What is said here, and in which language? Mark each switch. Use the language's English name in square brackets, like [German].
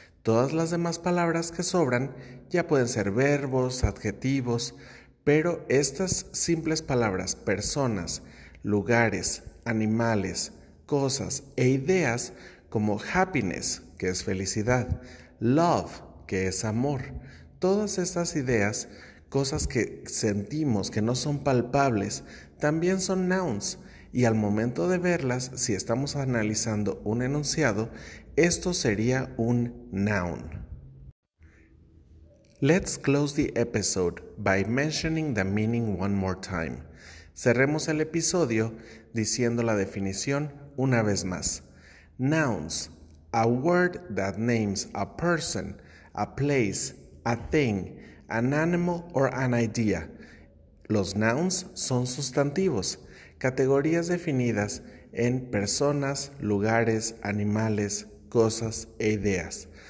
[Spanish] Todas las demás palabras que sobran ya pueden ser verbos, adjetivos, pero estas simples palabras, personas, lugares, animales, cosas e ideas como happiness, que es felicidad, love, que es amor. Todas estas ideas, cosas que sentimos que no son palpables, también son nouns. Y al momento de verlas, si estamos analizando un enunciado, esto sería un noun. [English] Let's close the episode by mentioning the meaning one more time. [Spanish] Cerremos el episodio diciendo la definición una vez más. [English] Nouns, a word that names a person, a place, a thing, an animal or an idea. [Spanish] Los nouns son sustantivos, categorías definidas en personas, lugares, animales, cosas e ideas.